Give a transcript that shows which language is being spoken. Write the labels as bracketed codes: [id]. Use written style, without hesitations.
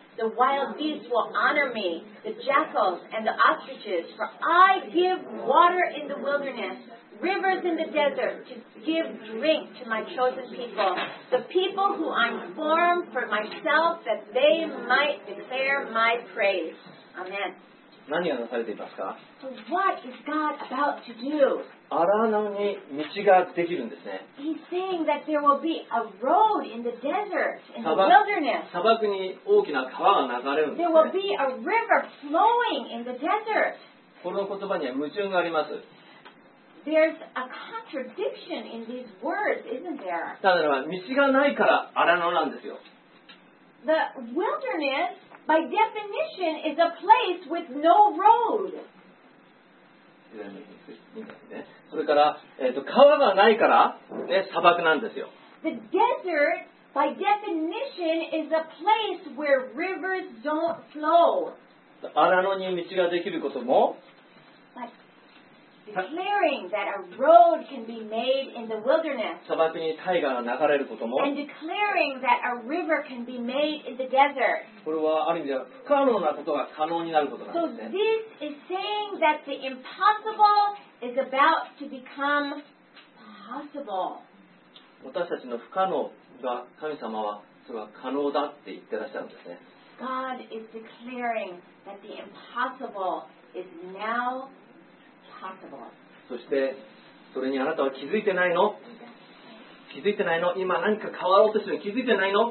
[en] The wild beasts will honor me, the jackals and the ostriches, for I give water in the wilderness. Rivers in the desert to give drink to my chosen people, the people who I form for myself that they might declare my praise. Amen. [ja] 何がなされていますか。 [en] So what is God about to do? [ja] 荒野に道ができるんですね。 [en] He's saying that there will be a road in the desert, in the wilderness. [ja] 砂漠に大きな川が流れるんですね。 [en] There will be a river flowing in the desert. [ja] この言葉には矛盾があります。 [en] There's a contradiction in these words, isn't there? [ja] ただでは道がないから荒野なんですよ。 [en] The wildernessby definition is a place with no road. [ja] それから、川がないから、ね、砂漠なんですよ。 [en] The desert by definition is a place where rivers don't flow. [ja] 荒野に道ができることも [en] But declaring that a road can be made in the wilderness. [ja] 砂漠に大河が流れることも [en] And declaring that a river can be made in the desert. [ja] これはある意味では不可能なことが可能になることなんですね。 [en] So this is saying that the impossible is about to become possible. [ja] 私たちの不可能が神様はそれは可能だって言ってらっしゃるんですね。 [en] God is declaring that the impossible is now possible. [ja] そしてそれにあなたは気づいてないの?気づいてないの? 今何か変わろうとしてるの気づいてないの?